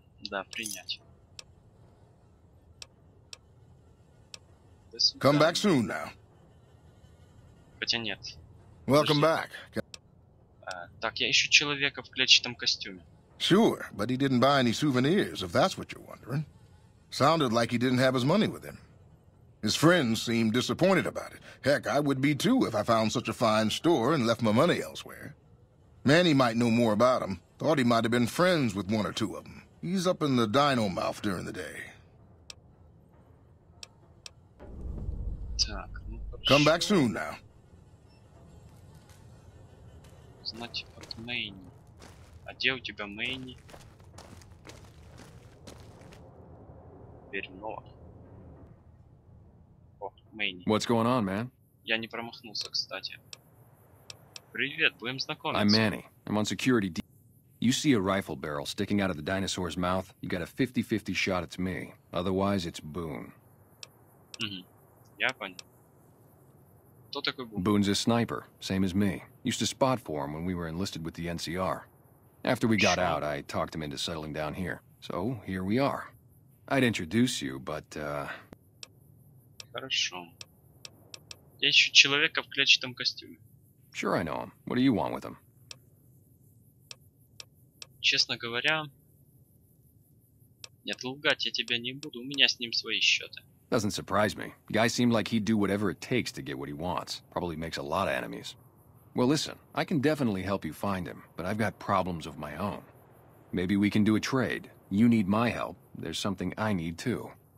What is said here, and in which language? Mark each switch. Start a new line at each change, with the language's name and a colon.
Russian: Да, принять.
English: Come back soon now.
Russian: Хотя нет.
English: Welcome back.
Russian: Так, я ищу человека в клетчатом костюме.
English: Sure, but he didn't buy any souvenirs, if that's what you're wondering. Sounded like he didn't have his money with him. His friends seemed disappointed about it. Heck, I would be too if I found such a fine store and left my money elsewhere. Manny might know more about him. Thought he might have been friends with one or two of them. He's up in the dino mouth during the day.
Russian: Так, ну хорошо.
English: Come back soon now.
Russian: Значит, от Мэйни. А где у тебя Мэйни? Теперь много. О, Мэйни.
English: What's going on, man?
Russian: Я не промахнулся, кстати. Привет, будем знакомиться.
English: I'm Manny. I'm on security. You see a rifle barrel sticking out of the dinosaur's mouth, you got a 50-50 shot it's me. Otherwise, it's Boone.
Russian: Я понял. Кто такой Boone?
English: Boone's a sniper, same as me. Used to spot for him when we were enlisted with the NCR. After we got out, I talked him into settling down here. So, here we are. I'd introduce you, but,
Russian: Хорошо. Я ищу человека в клетчатом костюме.
English: Sure, I know him. What do you want with him?
Russian: Честно говоря, нет, лгать я тебя не буду, у меня с ним свои счеты.
English: Doesn't surprise me. Guy seemed like he'd do whatever it takes to get what he wants. Probably makes a lot of enemies. Well, listen, I can definitely help you find him, but I've got problems of my own. Maybe we can do a trade. You need my help, there's something I need too.